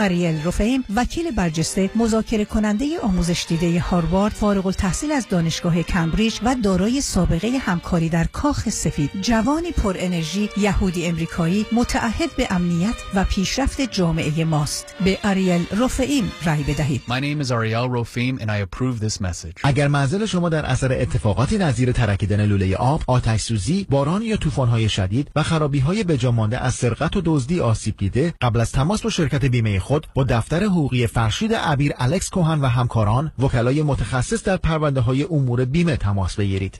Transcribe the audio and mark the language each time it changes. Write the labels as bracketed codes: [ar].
[fa] آریل روفیم، وکیل برجسته، مذاکره کننده آموزش دیده هاروارد، فارغ التحصیل از دانشگاه کمبریج و دارای سابقه همکاری در کاخ سفید، جوانی پر انرژی، یهودی آمریکایی، متعهد به امنیت و پیشرفت جامعه ماست. به آریل روفیم رای بدهید. [en] My name is Ariel Rofim and I approve this. [fa] اگر منزل شما در اثر اتفاقاتی نظیر ترکیدن لوله آب، آتش سوزی، باران یا طوفان‌های شدید و خرابی‌های بجا مانده از سرقت و دزدی آسیب دیده، قبل از تماس با شرکت بیمه خود با دفتر حقوقی فرشید عبیر، الکس کوهن و همکاران، وکلای متخصص در پرونده‌های امور بیمه تماس بگیرید.